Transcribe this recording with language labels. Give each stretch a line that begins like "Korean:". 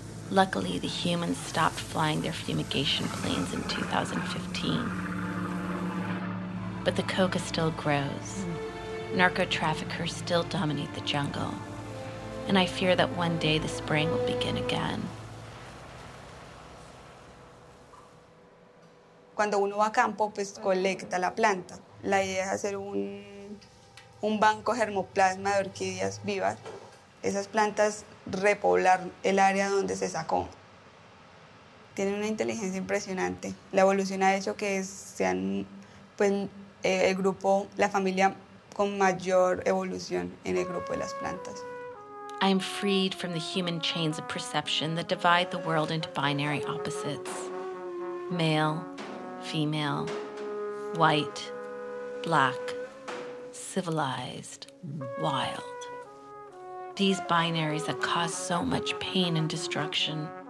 English: Luckily, the humans stopped flying their fumigation planes in 2015. But the coca still grows. Narco traffickers still dominate the jungle. And I fear that one day the spraying will begin again.
Spanish: Cuando uno va a campo, pues colecta la planta. La idea es hacer un banco germoplasma de orquídeas vivas. Esas plantas repoblar el área donde se sacó. Tienen una inteligencia impresionante. La evolución ha hecho que sean pues, el grupo, la familia con mayor evolución en el grupo de las plantas.
English: I am freed from the human chains of perception that divide the world into binary opposites. Male, female, white, black, civilized, wild. These binaries that cause so much pain and destruction.